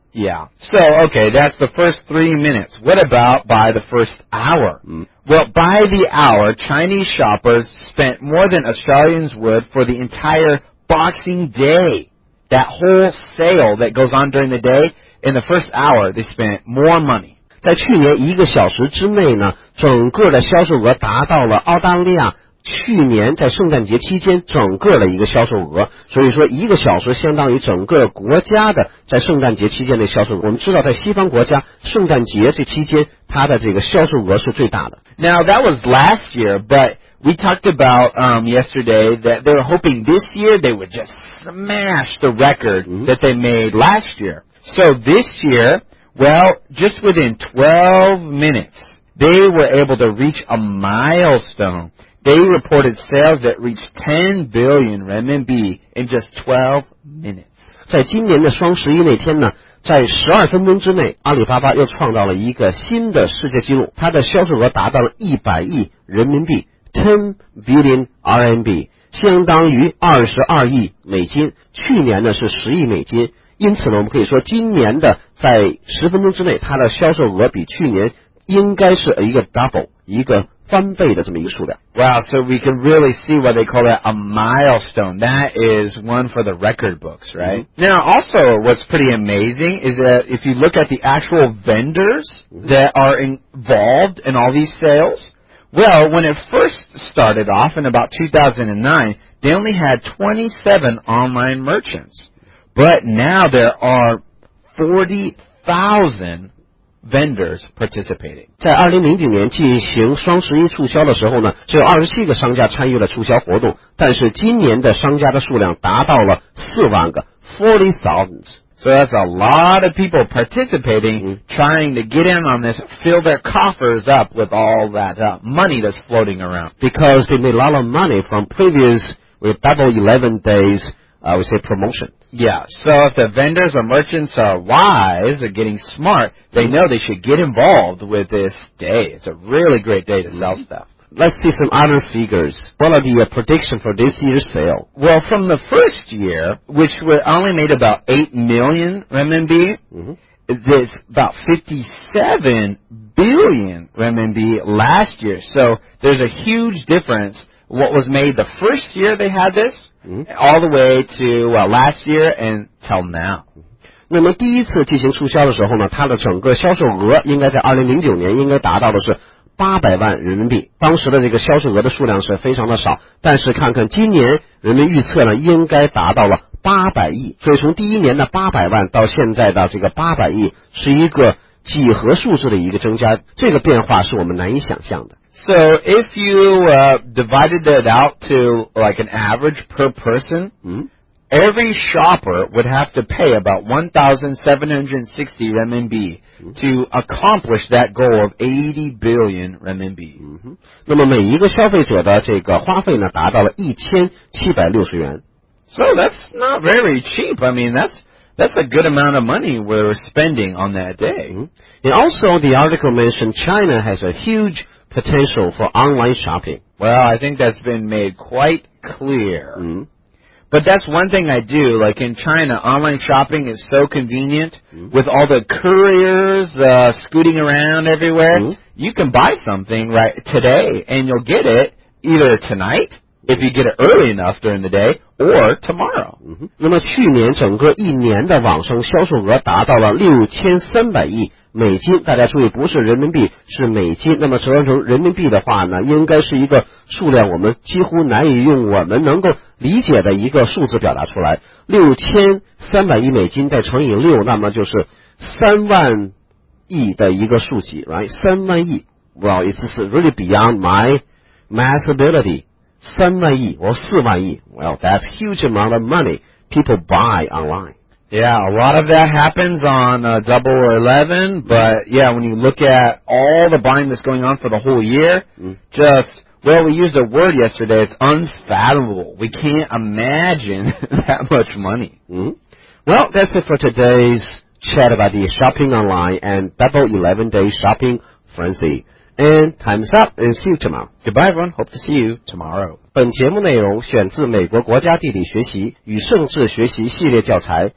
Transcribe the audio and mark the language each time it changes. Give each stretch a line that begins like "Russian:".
English: Yeah. So okay, that's the first 3 minutes. What about by the first hour? Well, by the hour, Chinese shoppers spent more than Australians would for the entire. Boxing Day, that whole sale that goes on during the day, in the first hour, they spent more money.
Chinese: 在去年一个小时之内呢，整个的销售额达到了澳大利亚去年在圣诞节期间整个的一个销售额。所以说一个小时相当于整个国家的在圣诞节期间的销售额。我们知道在西方国家，圣诞节这期间它的这个销售额是最大的。
English: Now, that was last year, but... We talked about yesterday that they were hoping this year they would just smash the record that they made last year. So this year, well, just within 12 minutes, they were able to reach a milestone. They reported sales that reached 10 billion RMB in just 12 minutes.
Chinese: 在今年的双十一那天呢，在12分钟之内，阿里巴巴又创造了一个新的世界纪录，它的销售额达到了100亿人民币。 $10 billion RMB 相当于$22 billion，去年呢是$10 billion，因此呢，我们可以说今年的在十分钟之内，它的销售额比去年应该是一个 double， 一个翻倍的这么一个数量。
English: Wow, so we can really see what they call it a milestone. That is one for the record books, right? Now, also, what's pretty amazing is that if you look at the actual vendors that are involved in all these sales. Well, when it first started off in about 2009, they only had 27 online merchants. But now there are 40,000 vendors participating.
Chinese: 在2009年进行双十一促销的时候呢，只有27个商家参与了促销活动，但是今年的商家的数量达到了40,000个 40,000.
English: So that's a lot of people participating, trying to get in on this, fill their coffers up with all that money that's floating around. Because they made a lot of money from previous with Double 11 days, I would say promotion. Yeah, so if the vendors or merchants are wise, they're getting smart, they know they should get involved with this day. It's a really great day to sell stuff. Let's see some other figures. What are the predictions for this year's sale? Well, from the first year, which we only made about 8 million RMB, it's about 57 billion RMB last year. So there's a huge difference what was made the first year they had this, all the way to last year and till now.
Chinese: 那么第一次进行促销的时候呢，它的整个销售额应该在2009年应该达到的是800万人民币，当时的这个销售额的数量是非常的少，但是看看今年人们预测呢，应该达到了800亿，所以从第一年的800万到现在的这个800亿，是一个几何数字的一个增加，这个变化是我们难以想象的。
English: So if you divided it out to like an average per person, every shopper would have to pay about 1,760 RMB to accomplish that goal of 80 billion RMB.
Chinese: 那么每一个消费者的这个花费呢，达到了1,760元。
English: So that's not very cheap. I mean, that's a good amount of money we're spending on that day. And also, the article mentioned China has a huge potential for online shopping. Well, I think that's been made quite clear. But that's one thing I do. Like in China, online shopping is so convenient. With all the couriers scooting around everywhere, you can buy something right today and you'll get it either tonight, if you get it early enough during the day, or tomorrow.
Chinese: 那么去年整个一年的网上销售额达到了6,300亿美金，大家注意，不是人民币，是美金。那么折成人民币的话呢，应该是一个数量我们几乎难以用我们能够理解的一个数字表达出来。 6,300亿美金再乘以六，那么就是3万亿的一个数字 ，right？
English: 3万亿 ，Well, it's really beyond my math ability。 3万亿or 4万亿 Well, that's a huge amount of money people buy online. Yeah, a lot of that happens on Double 11, but yeah, when you look at all the buying that's going on for the whole year, we used a word yesterday, it's unfathomable. We can't imagine that much money. Well, that's it for today's chat about the shopping online and Double 11 Day Shopping Frenzy. And time's up, and see you tomorrow. Goodbye, everyone. Hope to see you tomorrow.
Chinese: 本节目内容选自美国国家地理学习与政治学习系列教材。